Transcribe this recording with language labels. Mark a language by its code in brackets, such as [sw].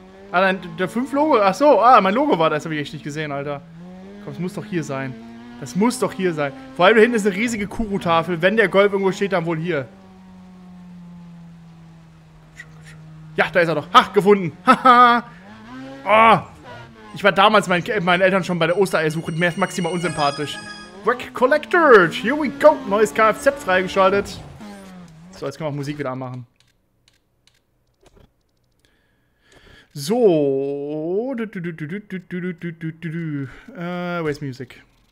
[de] Ah, nein, der 5-Logo. Ach so, ah, mein Logo war da. Das habe ich echt nicht gesehen, Alter. Komm, es muss doch hier sein. Das muss doch hier sein. Vor allem da hinten ist eine riesige Kuru-Tafel. Wenn der Golf irgendwo steht, dann wohl hier. Ja, da ist er doch. Ha, gefunden. Haha. Oh. Ich war damals meinen Eltern schon bei der Ostereiersuche maximal unsympathisch. [en] Wreck Collector, here we go. [de] Neues Kfz freigeschaltet. So, jetzt können wir auch Musik wieder anmachen. [en] So. Where's Music?